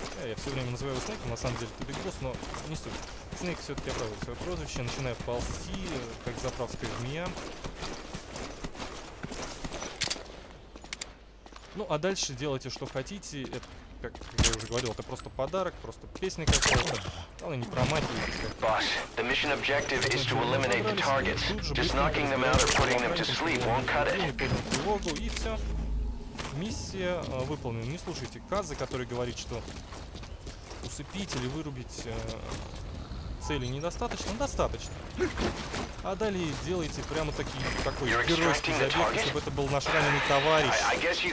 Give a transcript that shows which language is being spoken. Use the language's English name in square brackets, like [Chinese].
[Russian] Я все время называю его Снейком, на самом деле это Биг Босс, но не суть. Снейк все-таки оправдывает свое прозвище, начинает ползти, как заправская змея. Ну, а дальше делайте, что хотите. Это, как я уже говорил, это просто подарок, просто песня какая-то. Главное, не промахивайтесь. [English] Босс, the mission objective is to eliminate the targets. Just knocking them out or putting them to sleep won't cut it. [Russian] Тревогу, и все. Миссия выполнена. Не слушайте Казы, который говорит, что усыпить или вырубить цели недостаточно. Достаточно. А далее делайте прямо такие, такой геройский забег, чтобы это был наш раненый товарищ.